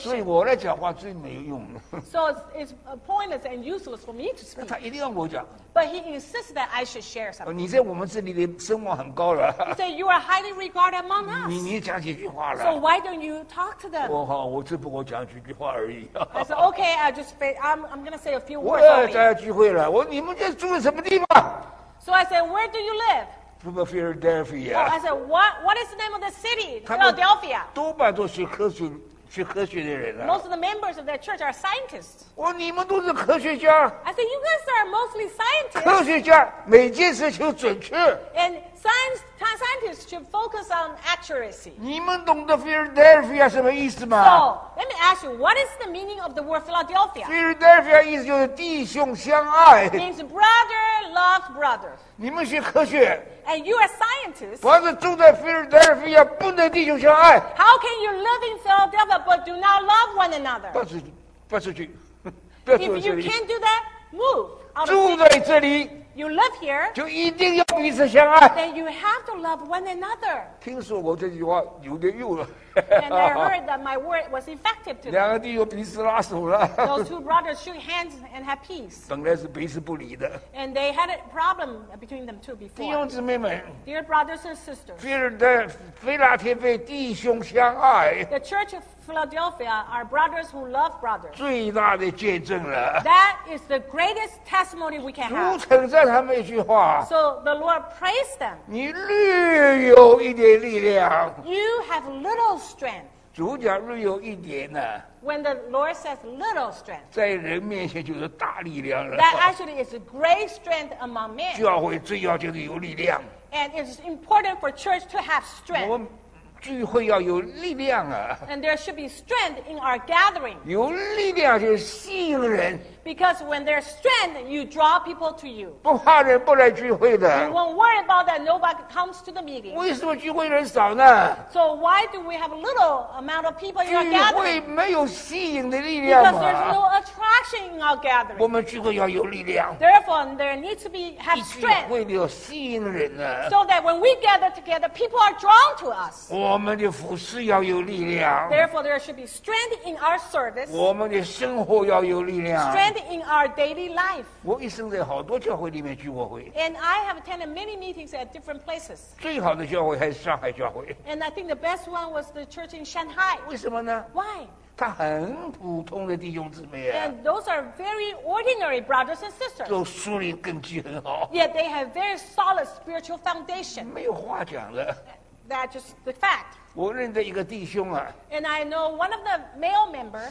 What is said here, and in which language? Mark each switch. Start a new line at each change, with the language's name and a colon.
Chinese: 所以我来讲话最没用的
English: So it's pointless and useless for me to speak.
Chinese: 他一定要我讲
English: But he insists that I should share something.
Chinese: 你在我们这里的声望很高了
English: He said you are highly regarded among us.
Chinese: 你讲几句话了
English: So why don't you talk to them?
Chinese: 我只不过讲几句话而已
English: I said okay, I'm going to say a few words.
Chinese: 我要参加聚会了你们在住在什么地方
English: So I said where do you live? Philadelphia. Oh, I said, what is the name of the city? Philadelphia.
Chinese: 多半都学科学学科学的人了。
English: Most of the members of that church are scientists.
Chinese: 你们都是科学家。
English: I said, you guys are mostly scientists.
Chinese: 科学家每件事求准确。
English: And scientists should focus on accuracy.
Chinese: 你们懂得 Philadelphia 什么意思吗
English: ？So let me ask you, what is the meaning of the word Philadelphia?
Chinese: Philadelphia 意思就是弟兄相爱。
English: Means brother loves brother.
Chinese: 你们学科学。
English: And you are scientists.
Chinese: 不是住在 Philadelphia 不能弟兄相爱。
English: How can you live in Philadelphia but do not love one another?
Chinese: 搬出去。
English: If you can't do that, move.
Chinese: 住在这里。
English: You live here.
Chinese: 就一定要彼此相爱。
English: Then you have to love one another.
Chinese: 听说我这句话有点用了。
English: And I heard that my word was effective to them.
Chinese: 两个弟兄彼此拉手了。
English: Those two brothers shook hands and had peace.
Chinese: 本来是彼此不理的。
English: And they had a problem between them two before.
Chinese: 弟兄姊妹们。
English: Dear brothers and sisters.
Chinese: 菲拉铁菲弟兄相爱。
English: The church of Philadelphia are brothers who love brothers.
Chinese: 最大的见证了。
English: That is the greatest testimony we can have.
Chinese: 主称赞他们一句话。
English: So the Lord praised them.
Chinese: 你略有一点力量。
English: You have little. Strength.
Chinese: 主讲略有一点呢。
English: When the Lord says little strength,
Chinese: 在人面前就是大力量了。
English: That actually is a great strength among men.
Chinese: 教会最要就是有力量。
English: And it's important for church to have strength.
Chinese: 我们聚会要有力量啊。
English: And there should be strength in our gathering.
Chinese: 有力量就是吸引人。
English: Because when there's strength, you draw people to you.
Chinese: 不怕人不来聚会的。
English: You won't worry about that. Nobody comes to the meeting.
Chinese: 为什么聚会人少呢
English: ？So why do we have little amount of people in our gathering?
Chinese: 聚会没有吸引的力量吗
English: ？Because there's no attraction in our gathering.
Chinese: 我们聚会要有力量。
English: Therefore, there needs to be have strength.
Chinese: 聚会要吸引人呢。
English: So that when we gather together, people are drawn to us.
Chinese: 我们的服事要有力量。
English: Therefore, there should be strength in our service.
Chinese: 我们的生活要有力量。
English: In our daily life.
Chinese: 我一生在好多教会里面聚过会。
English: And I have attended many meetings at different places.
Chinese: 最好的教会还是上海教会。
English: And I think the best one was the church in Shanghai.
Chinese: 为什么呢
English: ？Why?
Chinese: 他很普通的弟兄姊妹啊。
English: And those are very ordinary brothers and sisters.
Chinese: 都属灵根基很好。
English: Yet they have very solid spiritual foundation.
Chinese: 没有话讲的。
English: That's just the fact.
Chinese: 我认得一个弟兄啊。
English: And I know one of the male members.